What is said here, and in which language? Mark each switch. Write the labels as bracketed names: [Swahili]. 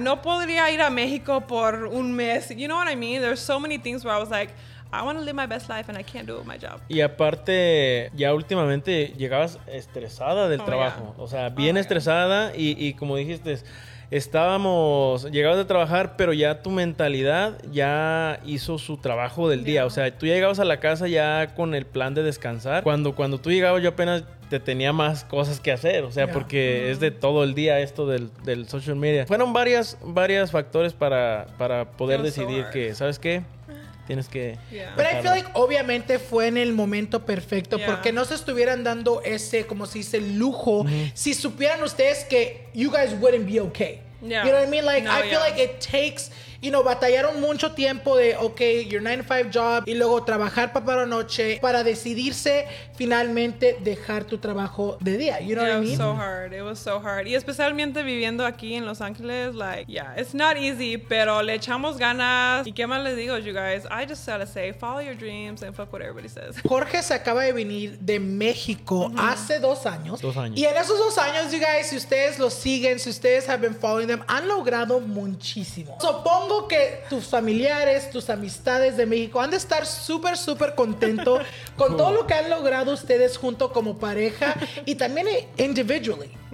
[Spanish] No podría ir a México por un mes. [English] You know what I mean? There's so many things where I was like, I want to live my best life and I can't do it with my job. [Spanish] Y aparte, ya últimamente llegabas estresada del trabajo. O sea, bien estresada y como dijiste, llegabas de trabajar, pero ya tu mentalidad ya hizo su trabajo del día. O sea, tú llegabas a la casa ya con el plan de descansar. Cuando tú llegabas, yo apenas te tenía más cosas que hacer, o sea, porque es de todo el día esto del social media. Fueron varias factores para poder decidir que, ¿sabes qué? Tienes que... Pero [English] I feel like [Spanish] obviamente fue en el momento perfecto porque no se estuvieran dando ese, como se dice, lujo si supieran ustedes que [English] you guys wouldn't be okay. You know what I mean? Like, I feel like it takes, you know, [Spanish] batallaron mucho tiempo de, okay, [English] your 9-to-5 job [Spanish] y luego trabajar papá la noche para decidirse finalmente dejar tu trabajo de día. [English] You know what I mean? It was so hard. It was so hard. [Spanish] Y especialmente viviendo aquí en Los Ángeles, [English] like, it's not easy, [Spanish] pero le echamos ganas. ¿Y qué más les digo, [English] you guys? I just gotta say, follow your dreams and fuck what everybody says. [Spanish] Jorge se acaba de venir de México hace 2 años. 2 años. Y en esos 2 años, [English] you guys, [Spanish] si ustedes lo siguen, si ustedes [English] have been following them, [Spanish] han logrado muchísimo. Supongo que tus familiares, tus amistades de México han de estar súper, súper contento con todo lo que han logrado ustedes junto como pareja y también individually.